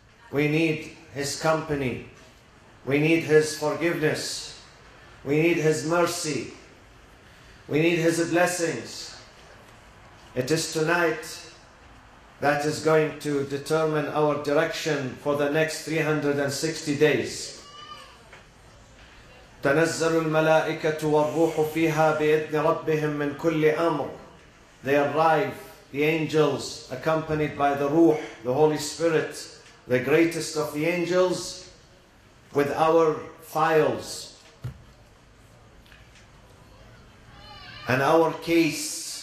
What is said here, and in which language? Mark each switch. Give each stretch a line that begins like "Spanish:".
English: We need His company. We need His forgiveness. We need His mercy. We need His blessings. It is tonight that is going to determine our direction for the next 360 days.
Arabic: تنزل الملائكة والروح فيها بإذن ربهم من كل أمر.
English: They arrive, the angels, accompanied by the Ruh, the Holy Spirit, the greatest of the angels, with our files and our case.